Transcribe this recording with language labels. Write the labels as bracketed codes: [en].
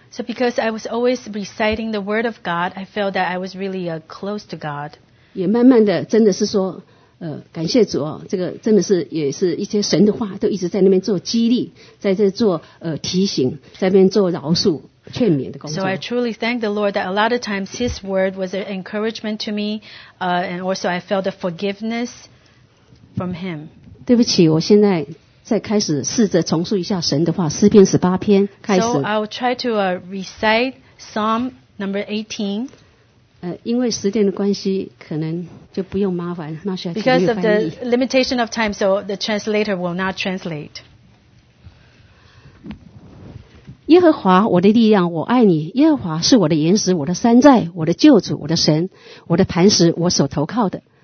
[en] So because I was always reciting the Word of God, I felt that I was really close to God. [zh] 也慢慢的，真的是说。感谢主哦，这个真的是也是一些神的话都一直在那边做激励，在这做提醒，在那边做饶恕劝勉的工作。 [en] So I truly thank the Lord that a lot of times His word was an encouragement to me, and also I felt a forgiveness from Him. [zh] 对不起，我现在再开始试着重述一下神的话，诗篇十八篇开始。 [en] So I'll try to recite Psalm number 18. [zh] 因为时间的关系可能就不用麻烦 Marcia 翻译。 [en] Because of the limitation of time, so the translator will not translate. [zh] 耶和华我的力量，我爱你。耶和华是我的岩石，我的山寨，我的救主，我的神，我的磐石，我所投靠的。